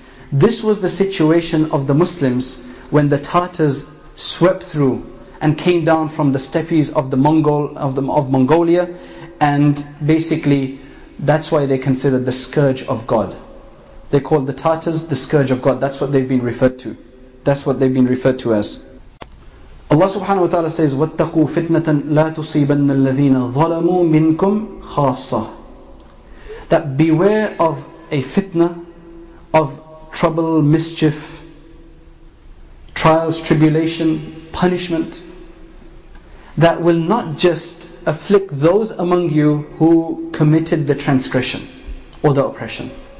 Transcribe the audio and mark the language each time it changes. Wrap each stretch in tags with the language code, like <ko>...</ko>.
<en>This was the situation of the Muslims when the Tartars swept through and came down from the steppes of Mongolia, and basically that's why they considered the scourge of God. They called the Tartars the scourge of God. That's what they've been referred to. That's what they've been referred to as.</en> <ar>Allah subhanahu wa ta'ala says, وَاتَّقُوا فِتْنَةً لَا تُصِيبَنَّ الَّذِينَ ظَلَمُوا مِنْكُمْ خَاصَّةً.</ar> <en>That beware of a fitna of trouble, mischief, trials, tribulation, punishment, that will not just afflict those among you who committed the transgression or the oppression.</en>